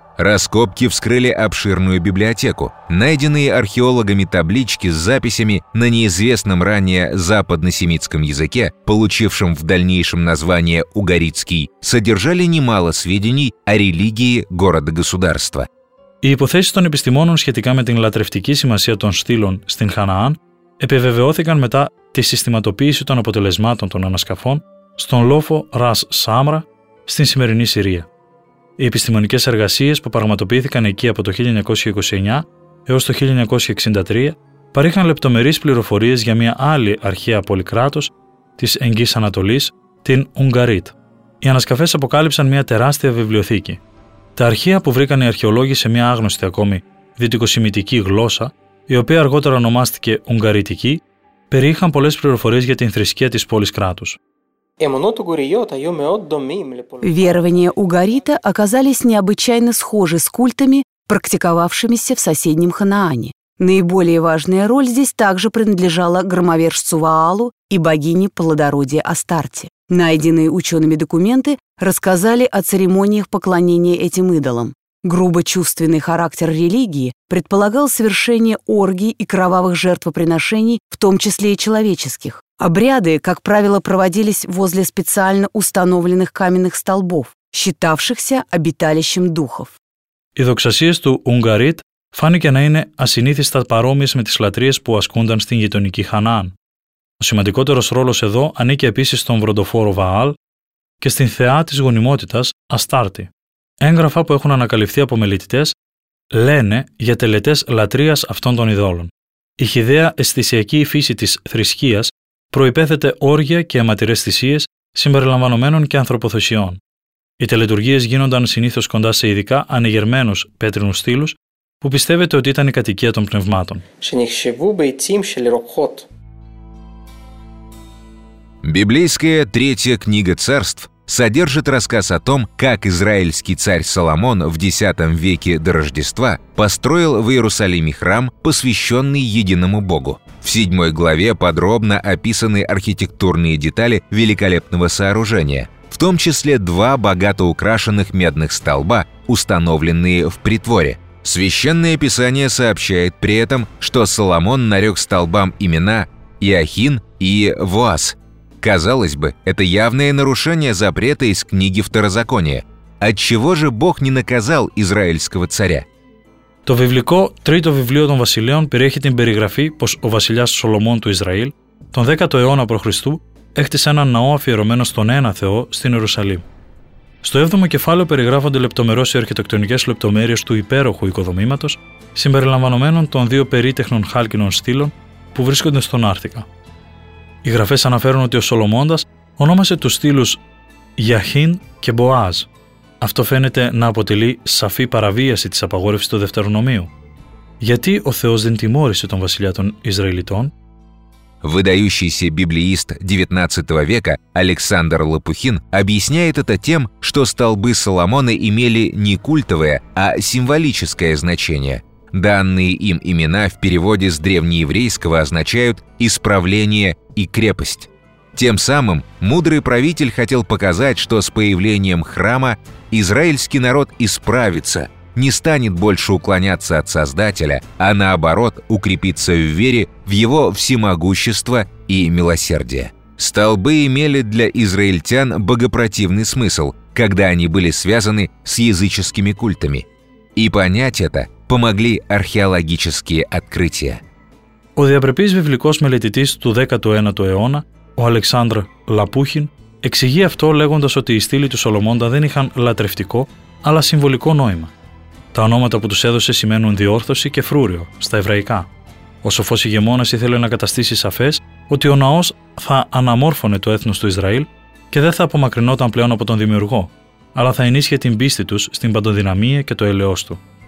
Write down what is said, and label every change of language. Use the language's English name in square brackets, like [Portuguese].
[Russian] Раскопки вскрыли обширную библиотеку. Найденные археологами таблички с записями на неизвестном ранее западносемитском языке, получившем в дальнейшем название угаритский, содержали немало сведений о религии города-государства. [Greek] Οι υποθέσεις των επιστημόνων σχετικά με την λατρευτική σημασία των στήλων στην Χαναάν επιβεβαιώθηκαν μετά τη συστηματοποίηση των αποτελεσμάτων των ανασκαφών στον λόφο Ρας Σάμρα στην σημερινή Συρία. Οι επιστημονικές εργασίες που πραγματοποιήθηκαν εκεί από το 1929 έως το 1963 παρήχαν λεπτομερείς πληροφορίες για μια άλλη αρχαία πόλη κράτος της Εγγύης Ανατολής, την Ουγγαρίτ. Οι ανασκαφές αποκάλυψαν μια τεράστια βιβλιοθήκη. Τα αρχεία που βρήκαν οι αρχαιολόγοι σε μια άγνωστη ακόμη δυτικοσημητική γλώσσα, η οποία αργότερα ονομάστηκε Ουγγαρίτικη, περιείχαν πολλές πληροφορίες για την θρησκεία της πόλης κράτους. [Russian] Верования Угарита оказались необычайно схожи с культами, практиковавшимися в соседнем Ханаане. Наиболее важная роль здесь также принадлежала громовержцу Ваалу и богине плодородия Астарте. Найденные учеными документы рассказали о церемониях поклонения этим идолам. Грубо чувственный характер религии предполагал совершение оргий и кровавых жертвоприношений, в том числе и человеческих. Обряды, как правило, проводились возле специально установленных каменных столбов, считавшихся обиталищем духов. [Greek] Οι δοξασίες του Ουγγαρίτ φάνηκε να είναι ασυνήθιστα παρόμοιες με τις λατρείες που ασκούνταν στην γειτονική Χανάν. Ο σημαντικότερος ρόλος εδώ ανήκε επίσης στον βροντοφόρο Βααλ και στην θεά της γονιμότητας Αστάρτη. Έγγραφα που έχουν ανακαλυφθεί από μελετητές λένε για τελετές λατρείας αυτών των ειδώλων. Η χυδαία αισθησιακή φύση της θρησκείας προϋπέθεται όργια και αιματηρές θυσίες συμπεριλαμβανομένων και ανθρωποθεσιών. Οι τελετουργίες γίνονταν συνήθως κοντά σε ειδικά ανεγερμένους πέτρινους στήλους που πιστεύεται ότι ήταν η κατοικία των πνευμάτων. [Russian] Библейская Третья книга царств содержит рассказ о том, как израильский царь Соломон в X веке до Рождества построил в Иерусалиме храм, посвященный единому Богу. В 7 главе подробно описаны архитектурные детали великолепного сооружения, в том числе два богато украшенных медных столба, установленные в притворе. Священное Писание сообщает при этом, что Соломон нарек столбам имена Иохин и Воаз. Казалось бы, это явное нарушение запрета из книги Второзакония. Отчего же Бог не наказал израильского царя? То библейское третье библию [Greek] των Βασιλείων περιέχει την περιγραφή πως ο βασιλιάς Σολομών του Ισραήλ τον 10ο αιώνα π.Χ. έχτισε έναν ναό αφιερωμένο στον ένα Θεό στην Ιερουσαλήμ. Στο 7ο κεφάλαιο περιγράφονται λεπτομερώς οι αρχιτεκτονικές λεπτομέρειες του υπέροχου οικοδομήματος, συμπεριλαμβανομένων των δύο περίτεχνων χάλκινων στήλων που βρίσκονται στον Άρθικα. Οι γραφές αναφέρουν ότι ο Σολομώντας ονόμασε τους στήλους Ιαχίν και Μποάζ. Αυτό φαίνεται να αποτελεί σαφή παραβίαση της απαγόρευσης του Δευτερονομίου. Γιατί ο Θεός δεν τιμώρησε τον βασιλιά των Ισραηλιτών? [Russian] Выдающийся библеист XIX века Александр Лопухин объясняет это тем, что столбы Соломона имели не культовое, а символическое значение. Данные им имена в переводе с древнееврейского означают «исправление» и «крепость». Тем самым мудрый правитель хотел показать, что с появлением храма израильский народ исправится, не станет больше уклоняться от Создателя, а наоборот укрепится в вере в его всемогущество и милосердие. Столбы имели для израильтян богопротивный смысл, когда они были связаны с языческими культами. И понять это помогли археологические открытия. [Greek] Ο διαπρεπής βιβλικός μελετητής του 19ου αιώνα, ο Αλεξάνδρ Λαπούχιν, εξηγεί αυτό λέγοντας ότι οι στήλοι του Σολομώντα δεν είχαν λατρευτικό, αλλά συμβολικό νόημα. Τα ονόματα που τους έδωσε σημαίνουν διόρθωση και φρούριο, στα εβραϊκά. Ο σοφός ηγεμόνας ήθελε να καταστήσει σαφές ότι ο ναός θα αναμόρφωνε το έθνος του Ισραήλ και δεν θα απομακρυνόταν πλέον από τον Δημιουργό, αλλά θα ενίσχυε την πίστη τους στην παντοδυναμία και το έλεος του.